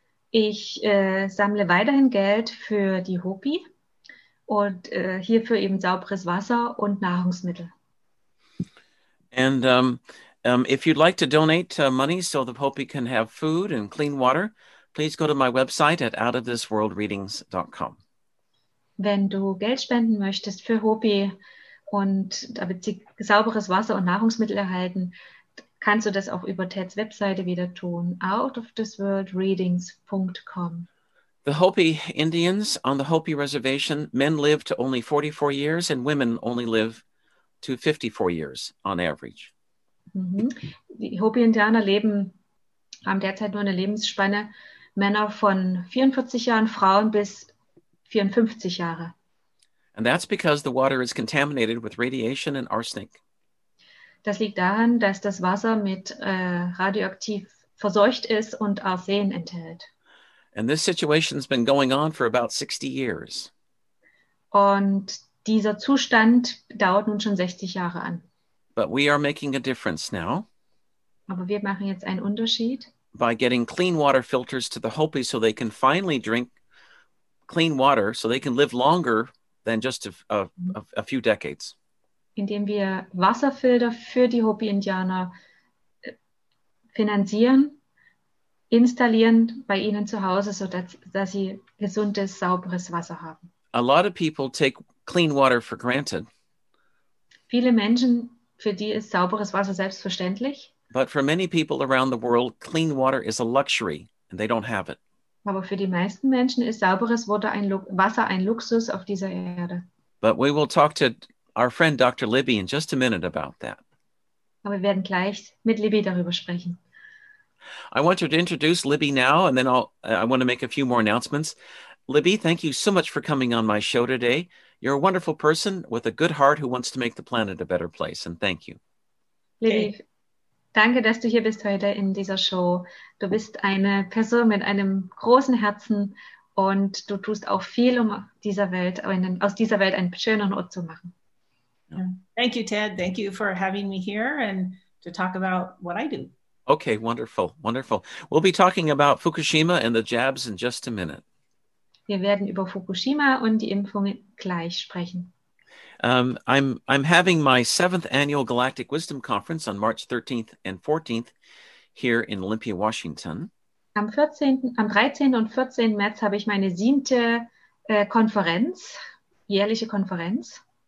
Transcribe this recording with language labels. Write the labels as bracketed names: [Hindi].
[German] Ich sammle weiterhin Geld für die Hopi und hierfür eben sauberes Wasser und Nahrungsmittel. [English] And if you'd like to donate money so the Hopi can have food and clean water, please go to my website at outofthisworldreadings.com. [German] Wenn du Geld spenden möchtest für Hopi und damit sie sauberes Wasser und Nahrungsmittel erhalten, kannst du das auch über Teds Webseite wieder tun, outofthisworldreadings.com. [English] The Hopi Indians on the Hopi Reservation, men live to only 44 years and women only live to 54 years on average. [German] Die Hopi-Indianer leben, haben derzeit nur eine Lebensspanne, Männer von 44 Jahren, Frauen bis 54 Jahre. [English] And that's because the water is contaminated with radiation and arsenic. [German] Das liegt daran, dass das Wasser mit radioaktiv verseucht ist und Arsen enthält. [English] And this situation's been going on for about 60 years. [German] Und dieser Zustand dauert nun schon 60 Jahre an. [English] But we are making a difference now. [German] Aber wir machen jetzt einen Unterschied. [English] By getting clean water filters to the Hopi so they can finally drink clean water so they can live longer than just a few decades. [German] Indem wir Wasserfilter für die Hopi-Indianer finanzieren, installieren bei ihnen zu Hause, sodass sie gesundes, sauberes Wasser haben. [English] A lot of people take clean water for granted. [German] Viele Menschen, für die ist sauberes Wasser selbstverständlich. [English] But for many people around the world, clean water is a luxury and they don't have it. [German] Aber für die meisten Menschen ist sauberes Wasser ein Luxus auf dieser Erde. [English] But we will talk to our friend Dr. Libby in just a minute about that. [German] Aber wir werden gleich mit Libby darüber sprechen. [English] I want to introduce Libby now, and then I want to make a few more announcements. Libby, thank you so much for coming on my show today. You're a wonderful person with a good heart who wants to make the planet a better place, and thank you. [German] Libby, danke, dass du hier bist heute in dieser Show. Du bist eine Person mit einem großen Herzen, und du tust auch viel, um aus dieser Welt einen schöneren Ort zu machen. [English] Thank you, Ted. Thank you for having me here and to talk about what I do. Okay, wonderful, wonderful. We'll be talking about Fukushima and the jabs in just a minute. [German] Wir werden über Fukushima und die Impfungen gleich sprechen. [English] I'm having my 7th annual Galactic Wisdom Conference on March 13th and 14th here in Olympia, Washington. [German] Am 13. und 14. März habe ich meine 7. Konferenz, jährliche Konferenz.